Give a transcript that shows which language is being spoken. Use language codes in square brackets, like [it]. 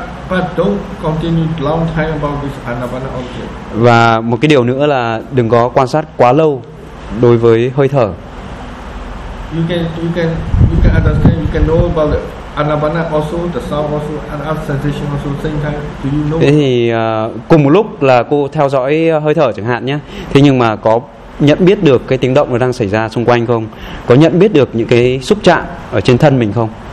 [en] But don't continue long time about this anapana object. [vi] Và một cái điều nữa là đừng có quan sát quá lâu đối với hơi thở. [en] You can understand, you can know about the anapana also, the sound also, and other sensation also same time. Do you know? [vi] Thế thì cùng một lúc là cô theo dõi hơi thở chẳng hạn nhé. Thế nhưng mà có nhận biết được cái tiếng động nó đang xảy ra xung quanh không? Có nhận biết được những cái xúc chạm ở trên thân mình không?